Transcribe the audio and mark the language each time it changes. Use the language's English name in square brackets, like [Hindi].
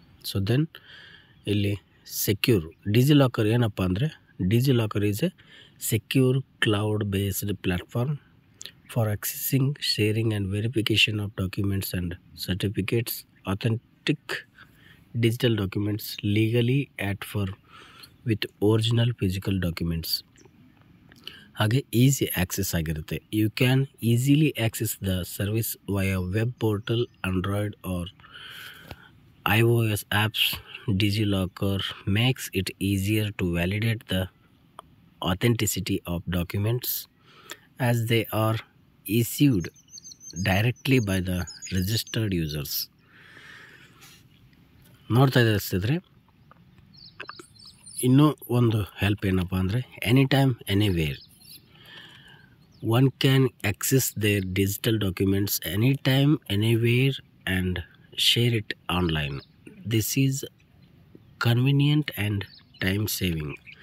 [English] so then [Kannada] ಇಲ್ಲಿ secure DigiLocker ಏನಪ್ಪ ಅಂದರೆ, [English] DigiLocker is a secure cloud based platform for accessing, sharing and verification of documents and certificates, authentic digital documents legally at par with original physical documents. [Kannada] ಹಾಗೆ easy access ಆಗಿರುತ್ತೆ. [English] You can easily access the service via web portal, Android or iOS apps. DigiLocker makes it easier to validate the authenticity of documents as they are issued directly by the registered users. [Kannada] ನೋಡ್ತಾ ಇದ್ದಾರೆ ಸ್ನೇಹಿತರೆ. ಇನ್ನೂ ಒಂದು help ಏನಪ್ಪ ಅಂದರೆ, [English] Any time anywhere one can access their digital documents any time anywhere and share it online. This is convenient and time saving.